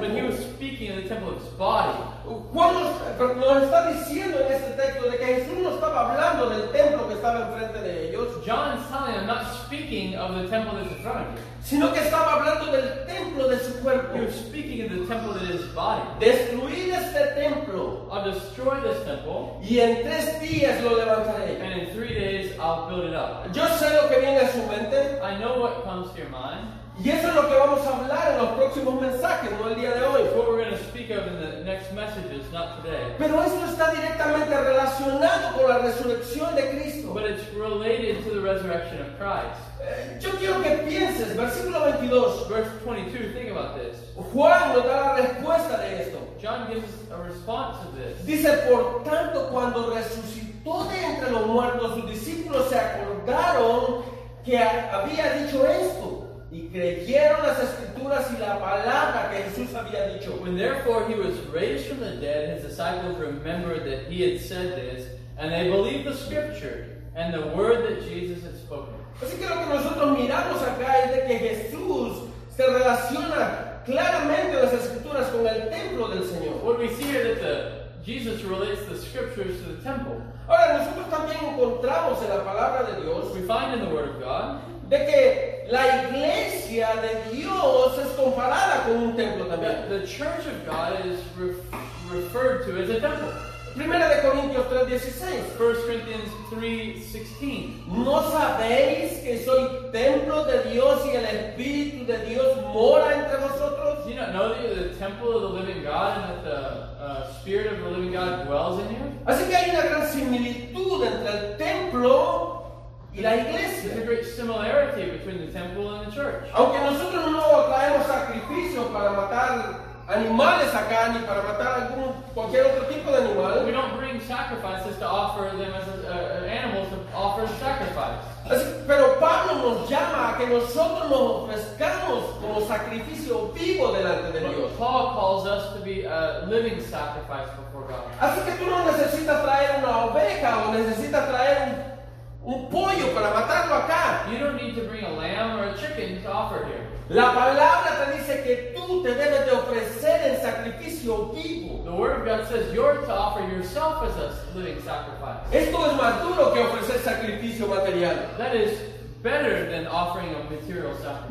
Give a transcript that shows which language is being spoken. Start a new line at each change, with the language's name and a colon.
English: But he was speaking of the temple of his body.
Spanish: Juan nos está diciendo en este texto de que Jesús no estaba hablando del templo que estaba enfrente de ellos.
English: John is telling them, I'm not speaking of the temple that's in front of you.
Spanish: Sino que estaba hablando del templo de su cuerpo.
English: You're speaking of the temple that is his body.
Spanish: Destruir este templo.
English: I'll destroy this temple.
Spanish: Y en tres días lo levantaré.
English: And in 3 days I'll build it up.
Spanish: Yo sé lo que viene a su mente.
English: I know what comes to your mind.
Spanish: Y eso es lo que vamos a hablar en los próximos mensajes, no el día de hoy.
English: What we're going to speak of in the next messages, not today.
Spanish: Pero eso está directamente relacionado con la resurrección de Cristo.
English: But it's related to the resurrection of Christ.
Spanish: Yo quiero que pienses, versículo 22.
English: Verse 22, think about this.
Spanish: Juan nos da la respuesta de esto.
English: John gives a response to this.
Spanish: Dice, por tanto, cuando resucitó de entre los muertos, sus discípulos se acordaron que había dicho esto. Y creyeron las escrituras y la palabra que Jesús había dicho.
English: When therefore he was raised from the dead, his disciples remembered that he had said this, and they believed the scripture and the word that Jesus had spoken.
Spanish: Así que lo que nosotros miramos acá es de que Jesús se relaciona claramente las escrituras con el templo del Señor.
English: What we see here is that Jesus relates the scriptures to the temple.
Spanish: Ahora nosotros también encontramos en la palabra de Dios.
English: We find in the word of God.
Spanish: De que la iglesia de Dios es comparada con un templo también.
English: The church of God is referred to as a temple.
Spanish: Primera de Corintios 3:16.
English: 1 Corinthians 3:16.
Spanish: ¿No sabéis que soy templo de Dios y el Espíritu de Dios mora entre vosotros?
English: Do you not know that you're the temple of the living God and that the Spirit of the living God dwells in you?
Spanish: Así que hay una gran similitud entre el templo y la iglesia.
English: There's a great similarity between the temple and the church.
Spanish: Aunque nosotros no traemos sacrificio para matar animales acá ni para matar cualquier otro tipo de animal.
English: We don't bring sacrifices to offer them as animals to offer a sacrifice.
Spanish: Pero Pablo nos llama a que nosotros nos ofrezcamos como sacrificio vivo delante de Dios.
English: Paul calls us to be a living sacrifice before God.
Spanish: Así que tú no necesitas traer una oveja o necesitas traer un pollo para matarlo acá.
English: You don't need to bring a lamb or a chicken to offer here.
Spanish: La palabra te dice que tú te debes de ofrecer en sacrificio vivo.
English: The word of God says you're to offer yourself as a living sacrifice.
Spanish: Esto es más duro que ofrecer sacrificio material.
English: That is better than offering a material sacrifice.